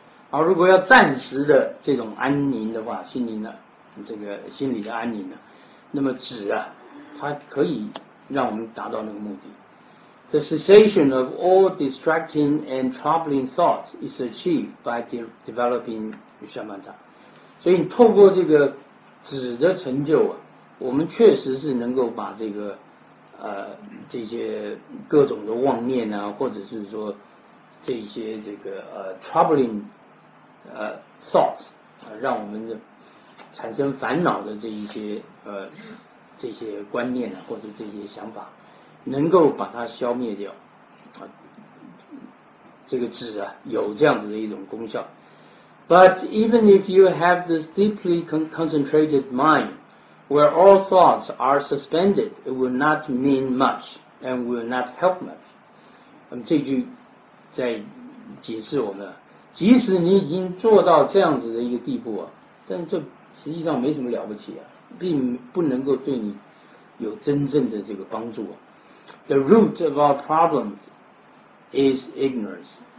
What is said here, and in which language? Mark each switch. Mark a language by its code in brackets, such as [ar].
[zh] 好，如果要暂时的这种安宁的话，心灵的这个心理的安宁呢，那么止啊它可以让我们达到那个目的。 [en] The cessation of all distracting and troubling thoughts is achieved by developing Samatha。 [zh] 所以你透过这个止的成就啊，我们确实是能够把这个这些各种的妄念啊，或者是说这些这个 [en] troubling thoughts [zh] 啊，让我们的产生烦恼的这些观念啊，或者这些想法，能够把它消灭掉啊。这个止啊，有这样子的一种功效。 [en] But even if you have this deeply concentrated mind, where all thoughts are suspended, it will not mean much and will not help much. [zh] 这句在解释我们，即使你已经做到这样子的一个地步啊，但这实际上没什么了不起啊，并不能够对你有真正的这个帮助啊。 [en] The root of our problems is ignorance.